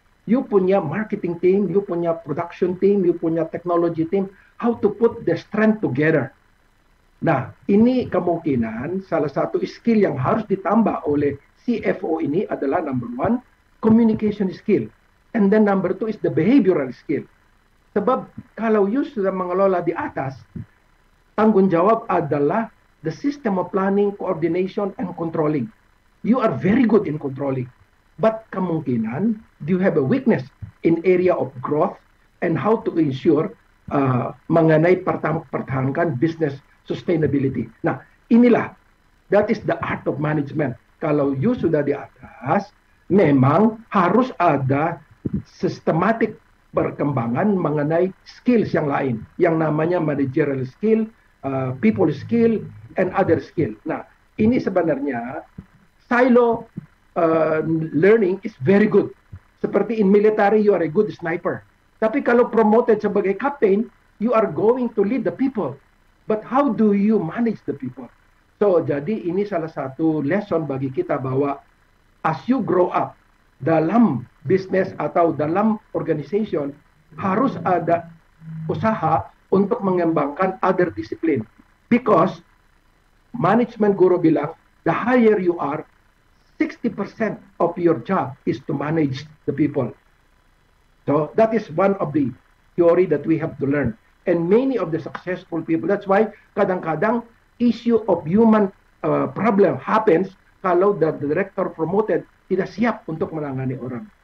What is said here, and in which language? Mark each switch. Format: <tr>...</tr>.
<en>You punya marketing team, you punya production team, you punya technology team. How to put the strength together.</en> <id>Nah, ini kemungkinan salah satu skill yang harus ditambah oleh CFO ini adalah</id> <en>number one, communication skill. And then number two is the behavioral skill.</en> <id>Sebab kalau you sudah mengelola di atas, tanggung jawab adalah</id> <en>the system of planning, coordination, and controlling. You are very good in controlling. But kemungkinan, do you have a weakness in area of growth and how to ensure</en> <id>mengenai pertahankan</id> <en>business sustainability.</en> <id>Nah, inilah,</id> <en>that is the art of management.</en> <id>Kalau you sudah di atas, memang harus ada sistematik perkembangan mengenai skills yang lain, yang namanya</id> <en>managerial skill, people skill, and other skill.</en> <id>Nah, ini sebenarnya</id> <en>silo learning is very good. Seperti in military, you are a good sniper.</en> <id>Tapi kalau</id> <en>promoted sebagai captain, you are going to lead the people. But how do you manage the people?</en> <id>So, jadi ini salah satu lesson bagi kita bahwa</id> <en>as you grow up</en> <id>dalam bisnis atau dalam organization, harus ada usaha untuk mengembangkan other discipline.</id> <en>Because management guru bilang, the higher you are, 60% of your job is to manage the people. So that is one of the theory that we have to learn. And many of the successful people, that's why kadang-kadang issue of human problem happens kalau the director promoted</en> <id>tidak siap untuk menangani orang.</id>